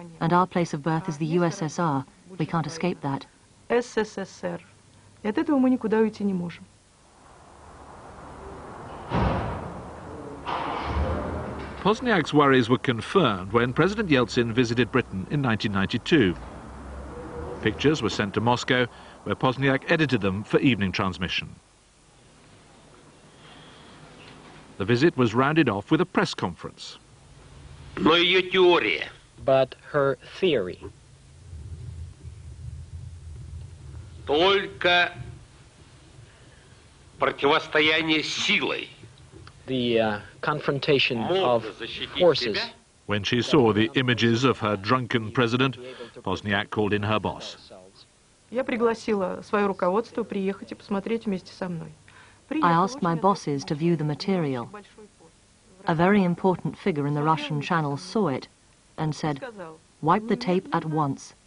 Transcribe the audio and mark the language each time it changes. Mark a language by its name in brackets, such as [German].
[English] And our place of birth is the USSR. We can't escape that. [Russian] СССР. И от этого мы никуда уйти не можем. [English] Pozniak's worries were confirmed when President Yeltsin visited Britain in 1992. Pictures were sent to Moscow, where Pozniak edited them for evening transmission. The visit was rounded off with a press conference. But her theory. [Russian] Только противостояние силой. [English] The confrontation of forces. When she saw the images of her drunken president, Pozniak called in her boss. I asked my bosses to view the material. A very important figure in the Russian channel saw it and said, wipe the tape at once.